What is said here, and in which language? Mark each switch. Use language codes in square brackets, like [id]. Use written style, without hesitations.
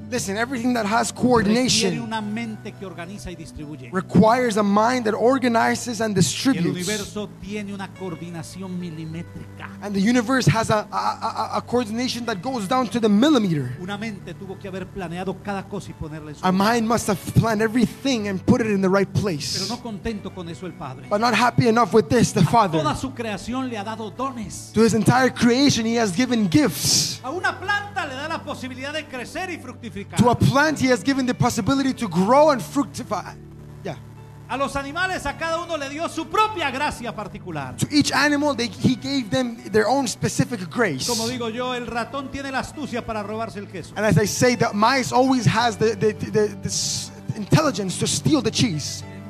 [en] Listen, everything that has coordination [es] requiere una mente que organiza y distribuye. [en] Requires a mind that organizes and distributes. [es] El universo tiene una coordinación milimétrica. [en] And the universe has a coordination that goes down to the millimeter. [es] Una mente tuvo que haber planeado cada cosa y ponerla en su lugar. [en] A mind must have planned everything and put it in the right place. [es] Pero no contento con eso el Padre. [en] But not happy enough with this, the Father. [es] A toda su creación le ha dado dones. [en] To his entire creation, he has given gifts. [es] A una planta le da la posibilidad de crecer y fructificar. [en] To a plant, he has given the possibility to grow and fructify. Yeah. [es] A los animales, a cada uno le dio su propia gracia particular. [en] To each animal, he gave them their own specific grace. [es] Como digo yo, el ratón tiene la astucia para robarse el queso. [en] And as I say, the mice always has the intelligence to steal the cheese.